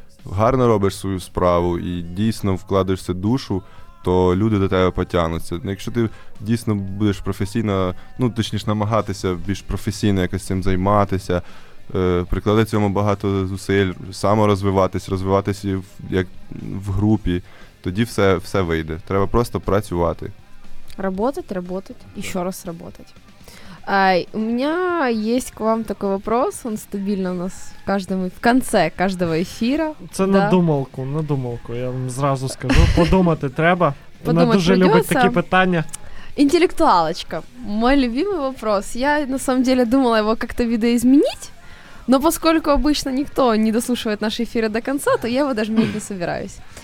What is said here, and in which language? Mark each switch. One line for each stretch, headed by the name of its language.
Ukrainian: гарно робиш свою справу і дійсно вкладаєшся душу, то люди до тебе потягнуться. Якщо ти дійсно будеш професійно, ну, точніше, намагатися більш професійно якось цим займатися, прикладати цьому багато зусиль, саморозвиватись, розвиватися як в групі, тоді все вийде. Треба просто працювати.
Russian: Работать,
Ukrainian: і ще раз
Russian: работать. У меня есть к вам такой вопрос, он стабильно у нас в конце каждого эфира.
Ukrainian: Це да? надумалку,
Russian: я вам сразу скажу,
Ukrainian: подумати треба. Вона дуже любить такі питання.
Russian: Интеллектуалочка, мой любимый вопрос. Я на самом деле думала его как-то видоизменить, но поскольку обычно никто не дослушивает наши эфиры до конца, то я его даже менять не собираюсь.